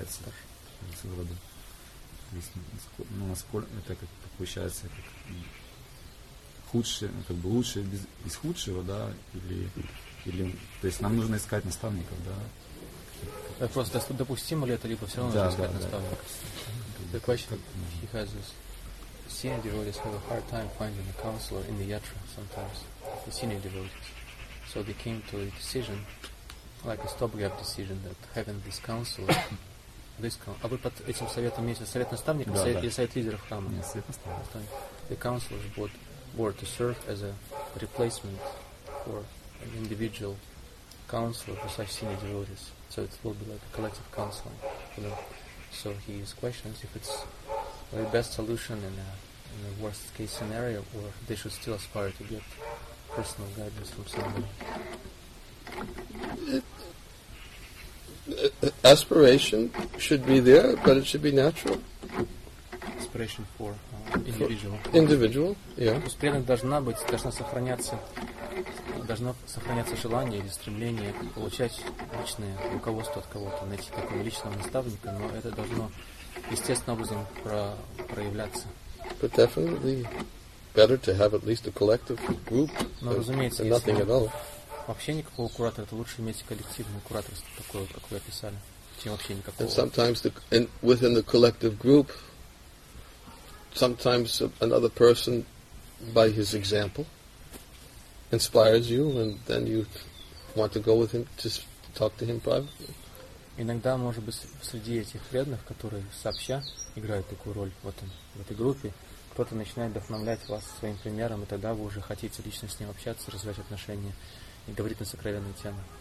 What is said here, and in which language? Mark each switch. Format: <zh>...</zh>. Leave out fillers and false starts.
<ru>наставника. Да, является. Ну, насколько это как получается, как худшее, как бы лучшее из худшего, да, или, то есть нам нужно искать наставников, да? Вопрос, допустимо ли это, либо все равно нужно искать наставников?</ru> <en>The question he has is, senior devotees have a hard time finding a counselor in the yatra sometimes, the senior devotees. So they came to a decision, like a stopgap decision, that having this counselor, this counselor.</en> <ru>А вы под этим советом имеете совет наставников или совет лидеров храма? Нет, совет наставников.</ru> <en>The counselors were to serve as a replacement for an individual counselor for such senior devotees. So it will be like a collective counseling for them. So he is questions if it's the best solution in a worst case scenario, or they should still aspire to get personal guidance from somebody. Aspiration should be there, but it should be natural. Aspiration for individual. Individual, yeah.</en> <ru>Успешность должна сохраняться желание или стремление получать личное руководство от кого-то, найти такого личного наставника, но это должно естественным образом проявляться.</ru> <en>But definitely better to have at least a collective group.</en> <ru>Но, разумеется, если вообще никакого куратора, то лучше иметь коллективное кураторство такое, как вы описали, чем вообще никакого.</ru> <en>And sometimes within the collective group, sometimes another person by his example inspires you, and then you want to go with him to talk to him privately.</en> <ru>Иногда, может быть, среди этих преданных, которые сообща играют такую роль в этом в этой группе, кто-то начинает вдохновлять вас своим примером, и тогда вы уже хотите лично с ним общаться, развивать отношения и говорить на сокровенные темы.</ru>